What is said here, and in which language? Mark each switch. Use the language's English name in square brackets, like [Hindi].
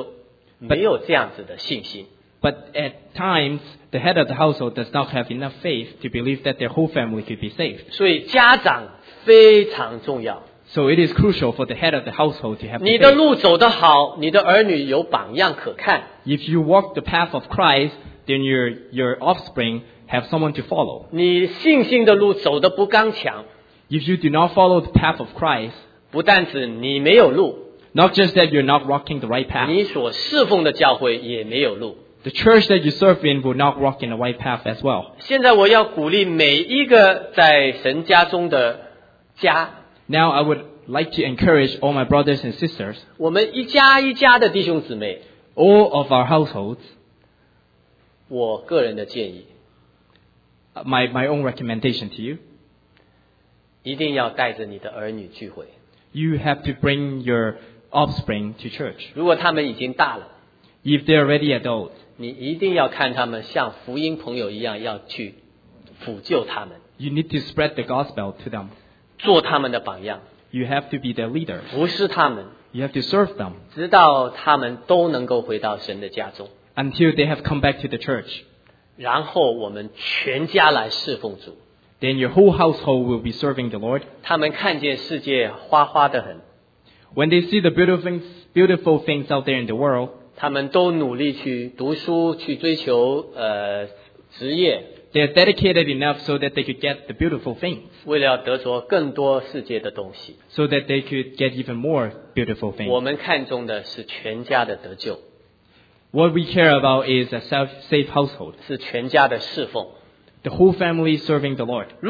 [Chinese] 但是许多的时候我们做家长的是没有这样子的信心, [English] but at times the head of the household does not have enough faith to believe that their whole family could be saved. [Chinese] 所以家长非常重要, [English] so it is crucial for the head of the household to have [Chinese] 你的路走得好, 你的儿女有榜样可看, [English] if you walk the path of Christ, then your offspring have someone to follow. [Chinese] 你信心的路走得不刚强, [English] if you do not follow the path of Christ, [Chinese] 不但是你没有路, [English] not just that you're not walking the right path, [Chinese] 你所侍奉的教会也没有路, [English] the church that you serve in will not walk in the right path as well. [Chinese] 现在我要鼓励每一个在神家中的家, [English] now I would like to encourage all my brothers and sisters, [Chinese] 我们一家一家的弟兄姊妹, [English] all of our households, [Chinese] 我个人的建议, [English] my own recommendation to you, [Chinese] 一定要带着你的儿女聚会, [English] you have to bring your offspring to church. [Chinese] 如果他们已经大了, [English] if they are already adults, [Chinese] 你一定要看他们像福音朋友一样要去辅救他们, [English] you need to spread the gospel to them, [Chinese] 做他们的榜样, [English] you have to be their leaders, [Chinese] 服侍他们, [English] you have to serve them, [Chinese] 直到他们都能够回到神的家中, [English] until they have come back to the church, [Chinese] 然后我们全家来侍奉主, [English] then your whole household will be serving the Lord. [Chinese] 他们看见世界花花的很, [English] when they see the beautiful things out there in the world, [Chinese] 他们都努力去读书,去追求, 职业, [English] they're dedicated enough so that they could get the beautiful things, [Chinese] 为了得着更多世界的东西, [English] so that they could get even more beautiful things. [Chinese] 我们看重的是全家的得救, [English] what we care about is a safe household, [Chinese] 是全家的侍奉, [English] the whole family serving the Lord.